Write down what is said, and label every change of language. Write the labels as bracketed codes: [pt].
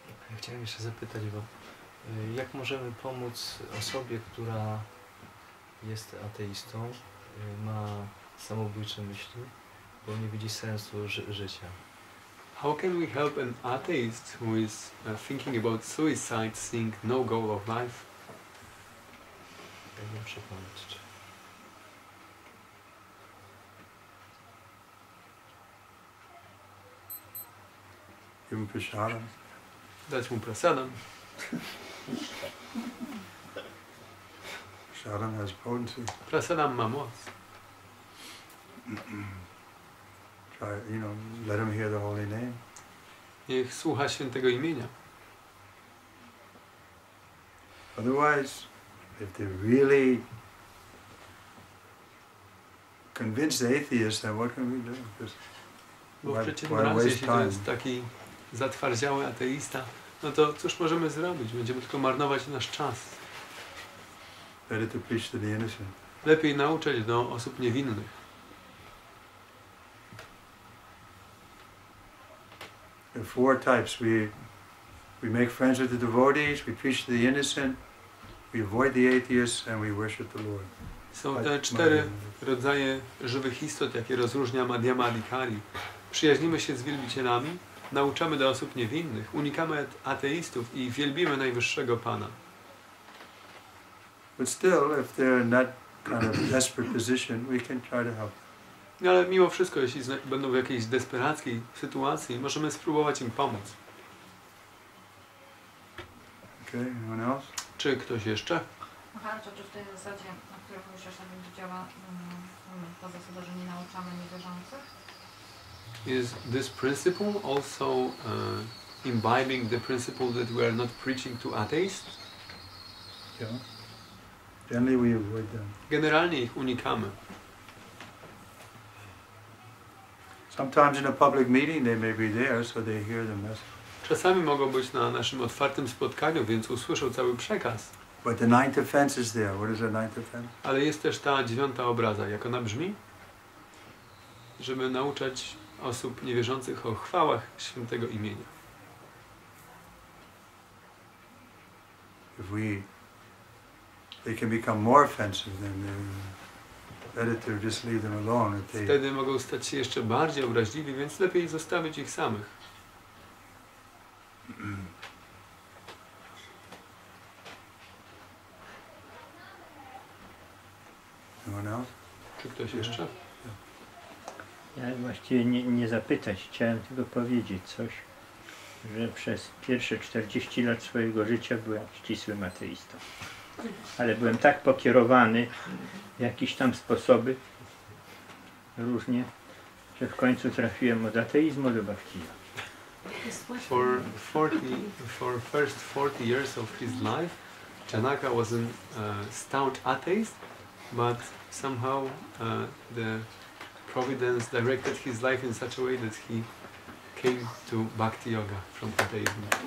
[pl] Ja chciałem jeszcze zapytać, bo jak możemy pomóc osobie, która jest ateistą, ma samobójcze myśli, bo nie widzi sensu życia. [en] How can we help an atheist who is thinking about suicide, seeing no goal of life? [pl] Jak ją przekonać? [en] Give him prasadam. [pl] Dać mu prasadam. [en] Prasadam has potency. [pl] Prasadam ma moc. [en] Try, you know, let him hear the holy name. [pl] Niech słucha świętego imienia. [en] Otherwise, if they really convince the atheist, then what can we do? Just why waste time? [pl] Jest taki zatwardziały ateista, no to cóż możemy zrobić? Będziemy tylko marnować nasz czas. [en] Better to preach to the innocent. [pl] Lepiej nauczać do osób niewinnych. [en] There are four types. We make friends with the devotees, we preach to the innocent, we avoid the atheists, and we worship the Lord. [pl] Są te cztery rodzaje żywych istot, jakie rozróżnia Madhyama Adhikari. Przyjaźnimy się z wielbicielami, nauczamy do osób niewinnych, unikamy ateistów i wielbimy najwyższego Pana. [en] But still, if they're in that kind of desperate position, we can try to help. [pl] Ale mimo wszystko, jeśli będą w jakiejś desperackiej sytuacji, możemy spróbować im pomóc. [en] Okay, anyone else? [pl] Czy ktoś jeszcze? Aha, czy w tej zasadzie, na której mówisz, że będzie działała ta zasada, że nie nauczamy niewierzących? [en] Is this principle also imbibing the principle that we are not preaching to atheists? Yeah. Generally we avoid them. [pl] Generalnie ich unikamy. [en] Sometimes in a public meeting they may be there, so they hear the message. [pl] Czasami mogą być na naszym otwartym spotkaniu, więc usłyszą cały przekaz. [en] But the ninth offense is there. What is the ninth offense? [pl] Ale jest też ta dziewiąta obraza. Jak ona brzmi? Żeby nauczać osób niewierzących o chwałach świętego imienia. [en] If they can become more offensive than the... Better to just leave them alone. [pl] Wtedy mogą stać się jeszcze bardziej obraźliwi, więc lepiej zostawić ich samych. [en] Anyone else? [pl] Czy ktoś jeszcze? Ja właściwie nie zapytać, chciałem tylko powiedzieć coś, że przez pierwsze 40 lat swojego życia byłem ścisłym ateistą. Ale byłem tak pokierowany w jakieś tam sposoby, różnie, że w końcu trafiłem od ateizmu do baktyja. [en] For first 40 years of his life, Janaka was a staunch atheist, but somehow the providence directed his life in such a way that he came to bhakti yoga from atheism.